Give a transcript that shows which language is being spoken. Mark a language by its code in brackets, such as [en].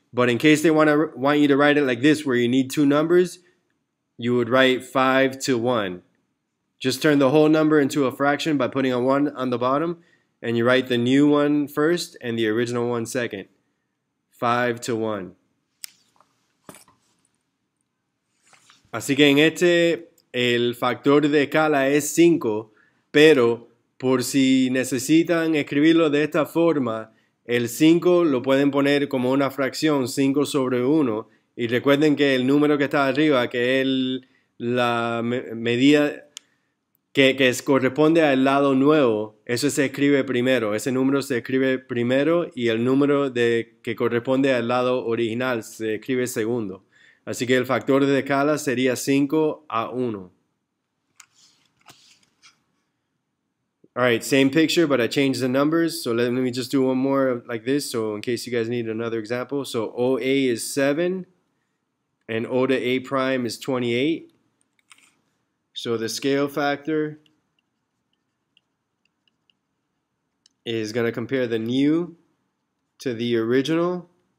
[en] But in case they want you to write it like this, where you need two numbers, you would write 5 to 1. Just turn the whole number into a fraction by putting a 1 on the bottom, and you write the new one first and the original one second. 5 to 1. [es] Así que en este, el factor de escala es 5, pero por si necesitan escribirlo de esta forma, el 5 lo pueden poner como una fracción, 5 sobre 1, y recuerden que el número que está arriba, que es la medida, que corresponde al lado nuevo, eso se escribe primero. Ese número se escribe primero y el número de, que corresponde al lado original se escribe segundo. Así que el factor de escala sería 5 a 1. [en] All right, same picture, but I changed the numbers. So let me just do one more like this. So in case you guys need another example. So OA is 7 and O to A prime is 28. So the scale factor is going to compare the new to the original.